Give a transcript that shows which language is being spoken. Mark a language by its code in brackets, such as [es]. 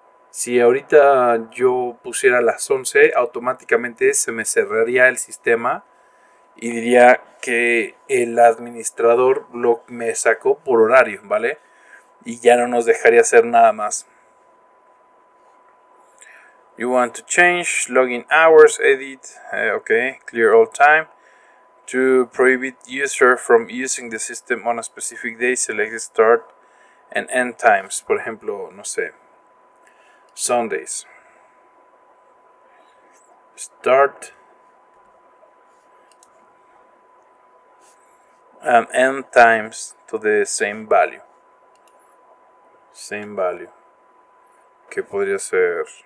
[es] Si ahorita yo pusiera las 11, automáticamente se me cerraría el sistema y diría que el administrador me sacó por horario, ¿vale? Y ya no nos dejaría hacer nada más. [en] You want to change login hours, edit, ok, clear all time. To prohibit user from using the system on a specific day, select start and end times. [es] Por ejemplo, no sé, Sundays. [en] Start and end times to the same value. Same value. [es] ¿Qué podría ser?